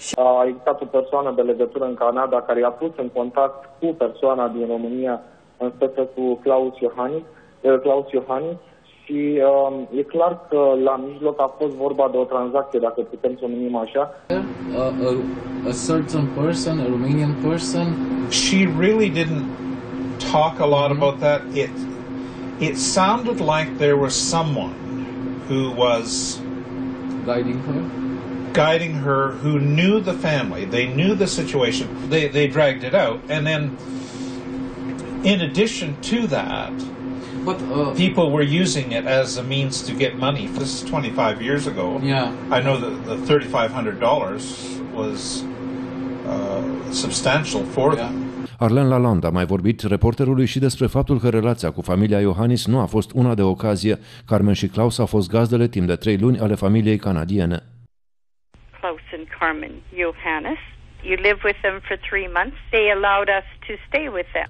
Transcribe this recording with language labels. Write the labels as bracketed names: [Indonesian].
[Romanian] A existat o persoană de legătură în Canada care i-a pus în contact cu persoana din România în stăță cu Claus Iohannis și e clar că la mijloc a fost vorba de o tranzacție, dacă putem să o numim așa. [English] A certain person, a Romanian person. She really didn't talk a lot about that. It sounded like there was someone who was guiding her, who knew the family. They knew the situation. They dragged it out, and then in addition to that, people were using it as a means to get money. This is 25 years ago. Yeah. I know that the $3,500 was substantial for them. [Romanian] Arlen Lalande a mai vorbit reporterului și despre faptul că relația cu familia Iohannis nu a fost una de ocazie. Carmen și Klaus au fost gazdele timp de 3 luni ale familiei canadiene. [English] Klaus and Carmen Iohannis. You live with them for 3 months. They allowed us to stay with them.